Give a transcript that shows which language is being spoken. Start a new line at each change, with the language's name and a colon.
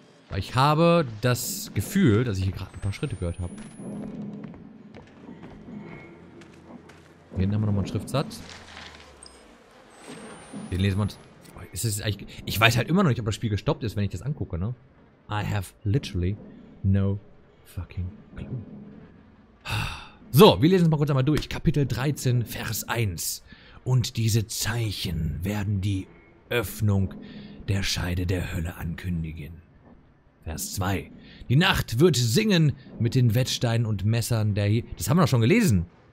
German: Weil ich habe das Gefühl, dass ich hier gerade ein paar Schritte gehört habe. Hier hinten haben wir nochmal einen Schriftsatz. Den lesen wir uns. Ist das eigentlich, ich weiß halt immer noch nicht, ob das Spiel gestoppt ist, wenn ich das angucke, ne?
English: I have literally no fucking clue.
German: So, wir lesen es mal kurz einmal durch. Kapitel 13, Vers 1. Und diese Zeichen werden die Öffnung der Scheide der Hölle ankündigen. Vers 2. Die Nacht wird singen mit den Wettsteinen und Messern der... Das haben wir doch schon gelesen.